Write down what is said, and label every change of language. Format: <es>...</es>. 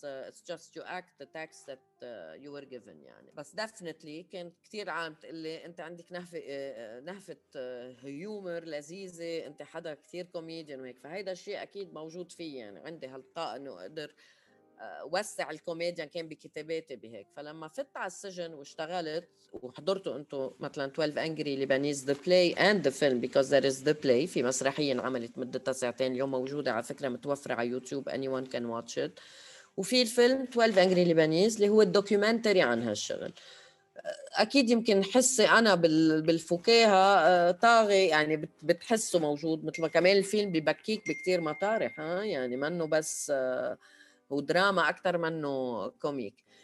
<en>It's just you act the text that you were given</en> <ar>يعني. بس definitely كانت كتير عام تقلي أنت عندك نهفة هيومر لذيذة، أنت حدا كتير كوميديان وهيك. فهيدا الشيء أكيد موجود فيه يعني، عندي هالطاقة أنه أقدر وسع الكوميديان كان بكتاباتي بهيك. فلما فت على السجن واشتغلت وحضرتوا أنتوا مثلاً</ar> <en>12 Angry Lebanese the play and the film because there is the play.</en> <ar>في مسرحية عملت مدة ساعتين اليوم موجودة على فكرة متوفرة على يوتيوب،</ar> <en>anyone can watch it.</en> <ar>وفي الفيلم 12 Angry Lebanese اللي هو الدوكيومنتري عن هالشغل. أكيد يمكن حسي أنا بالفكاهة طاغي يعني بتحسه موجود، مثل ما كمان الفيلم ببكيك بكتير مطارح ها؟ يعني منه بس هو دراما أكتر منه كوميك.</ar>